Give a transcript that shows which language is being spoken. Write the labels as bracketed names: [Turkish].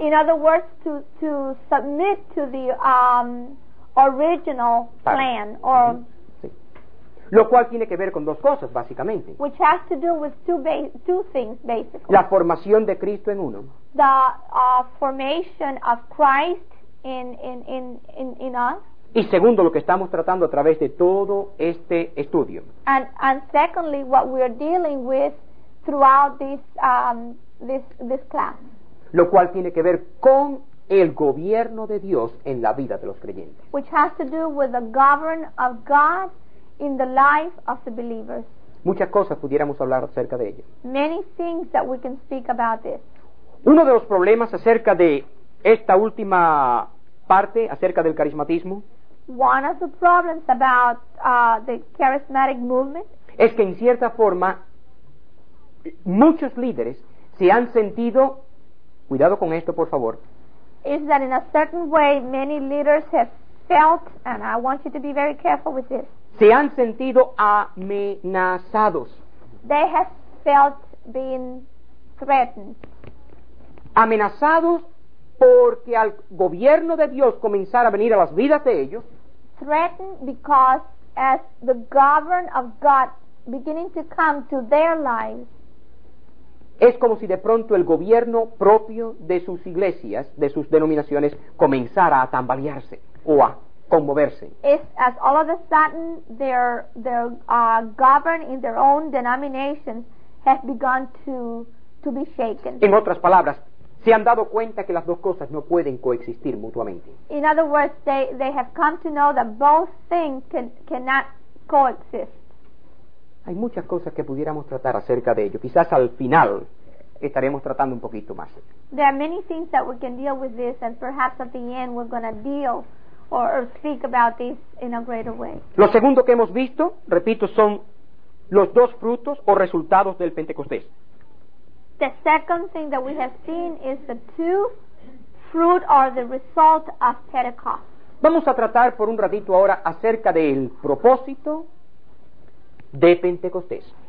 [English] In other words, to submit to the original plan. Or, [Spanish] sí. Lo cual tiene que ver con dos cosas, básicamente. [English] Which has to do with two things, basically. [Spanish] La formación de Cristo en uno. [English] The formation of Christ in us. [Spanish] Y segundo, lo que estamos tratando a través de todo este estudio. [English] And secondly, what we are dealing with throughout this class. [Spanish] Lo cual tiene que ver con el gobierno de Dios en la vida de los creyentes. [English] Which has to do with the govern of God in the life of the believers. [Spanish] Muchas cosas pudiéramos hablar acerca de ello. [English] Many things that we can speak about this. [Spanish] Uno de los problemas acerca de esta última parte, acerca del carismatismo. [English] One of the problems about the charismatic movement [Spanish] es que en cierta forma muchos líderes se han sentido, cuidado con esto por favor, [English] is that in a certain way many leaders have felt, and I want you to be very careful with this, [Spanish] se han sentido amenazados. [English] They have felt being threatened. [Spanish] Amenazados porque al gobierno de Dios comenzara a venir a las vidas de ellos. [English] Threatened because as the govern of God beginning to come to their lives, [Spanish] es como si de pronto el gobierno propio de sus iglesias, de sus denominaciones, comenzara a tambalearse o a conmoverse. [English] It's as all of a sudden their govern in their own denominations has begun to be shaken. [Spanish] En otras palabras, se han dado cuenta que las dos cosas no pueden coexistir mutuamente. [English] In other words, they have come to know that both things cannot coexist. [Spanish] Hay muchas cosas que pudiéramos tratar acerca de ello. Quizás al final estaremos tratando un poquito más. [English] There are many things that we can deal with this, and perhaps at the end we're going to deal or speak about this in a greater way. [Spanish] Lo segundo que hemos visto, repito, son los dos frutos o resultados del Pentecostés. [English] The second thing that we have seen is the two fruit or the result of Pentecost. [Spanish] Vamos a tratar por un ratito ahora acerca del propósito de Pentecostés.